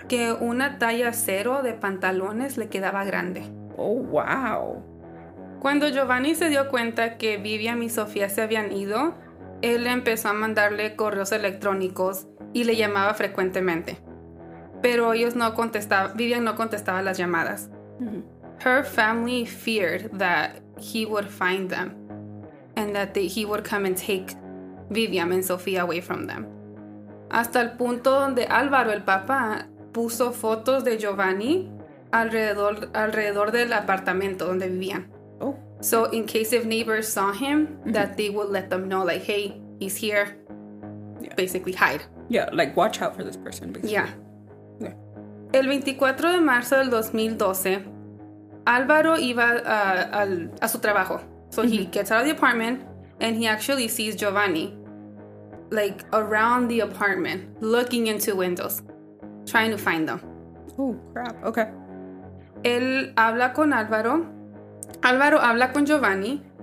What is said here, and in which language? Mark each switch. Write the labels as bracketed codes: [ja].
[es] Que una talla cero de pantalones le quedaba grande. [en] Oh, wow. [es] Cuando Giovanni se dio cuenta que Viviam y Sofía se habían ido, él empezó a mandarle correos electrónicos y le llamaba frecuentemente. Pero Viviam no contestaba las llamadas. Mm-hmm. [en] Her family feared that he would find them and that he would come and take Viviam and Sofía away from them. [es] Hasta el punto donde Álvaro, el papá, puso fotos de Giovanni alrededor del apartamento donde vivían. Oh. [en] So, in case if neighbors saw him, that they would let them know, like, hey, he's here. Yeah. Basically, hide. Yeah, like, watch out for this person, basically. Yeah. Yeah. [es] El 24 de marzo del 2012, Álvaro iba a su trabajo. [en] So, he gets out of the apartment, and he actually sees Giovanni. Like, around the apartment, looking into windows, trying to find them. Oh, crap. Okay. [es] Él habla con Álvaro. Álvaro habla con Giovanni.